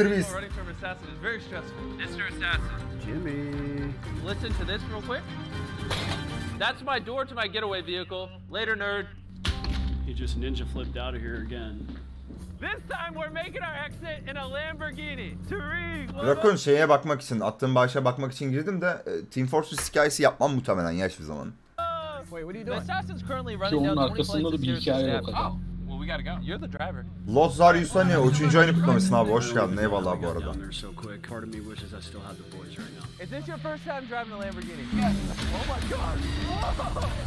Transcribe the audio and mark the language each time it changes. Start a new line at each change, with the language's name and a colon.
English: Running from assassin is very stressful. Mr. Assassin. Jimmy. Listen to this real quick. That's my door to my getaway vehicle. Later, nerd. He just ninja flipped out of here again. This time we're making our exit in a Lamborghini. Tariq.
Turkish: Bırakın şeye bakmak için, attığım bağışa bakmak için girdim de Team Fortress hikayesi yapmam muhtemelen yaş bir zamanın.
English: Wait, what are you doing? The assassin's currently running down the 20 places.
Turkish: Onun arkasında da bir hikaye yok.
English: Well, we gotta go. You're the driver.
Turkish: Lotzar Yusani, 3. ayını kutlamışsın abi. Hoş geldin. Eyvallah bu arada.
English: Is this your first time driving a Lamborghini? Yes. Oh my god.